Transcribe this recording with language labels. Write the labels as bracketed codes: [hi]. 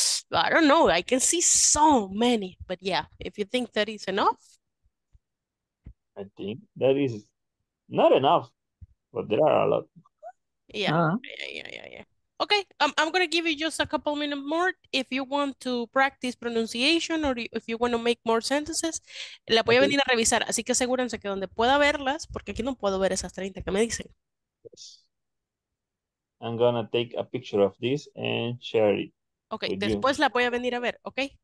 [en] I don't know, I can see so many, but yeah, if you think that is enough. I think that is not enough, but there are a lot. Yeah. Okay, I'm going to give you just a couple minutes more if you want to practice pronunciation or if you want to make more sentences. [es] La voy a venir a revisar, así que asegúrense que donde pueda verlas, porque aquí no puedo ver esas 30 que me dicen. [en] Yes. I'm going to take a picture of this and share it. [es] Okay, después la voy a venir a ver, okay?